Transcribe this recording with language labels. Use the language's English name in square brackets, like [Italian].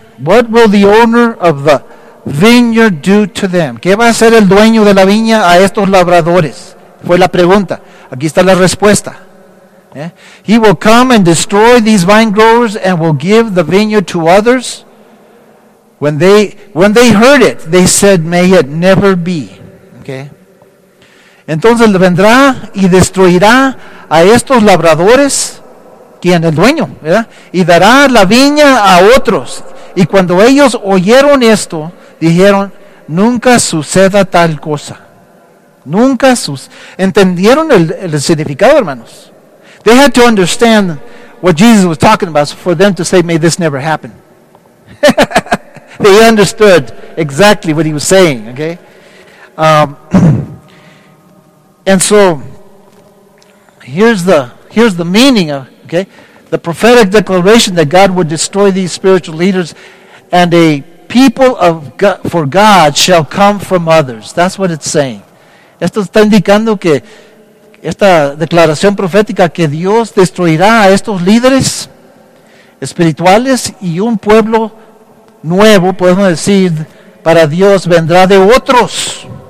[English] What will the owner of the vineyard do to them? [Spanish] ¿Qué va a hacer el dueño de la viña a estos labradores? Fue la pregunta. Aquí está la respuesta. Yeah. [English] He will come and destroy these vine growers and will give the vineyard to others. When they heard it, they said, "May it never be." Okay. [Spanish] Entonces vendrá y destruirá a estos labradores, quien el dueño, ¿verdad? Y dará la viña a otros. Y cuando ellos oyeron esto, dijeron, nunca suceda tal cosa. Nunca suceda. ¿Entendieron el significado, hermanos? [English] They had to understand what Jesus was talking about for them to say, may this never happen. They understood exactly what he was saying, okay? And so here's the meaning of, okay, the prophetic declaration that God would destroy these spiritual leaders, and a people of God, for God, shall come from others. That's what it's saying. [Spanish] Esto está indicando que esta declaración profética que Dios destruirá a estos líderes espirituales y un pueblo nuevo, podemos decir, para Dios vendrá de otros.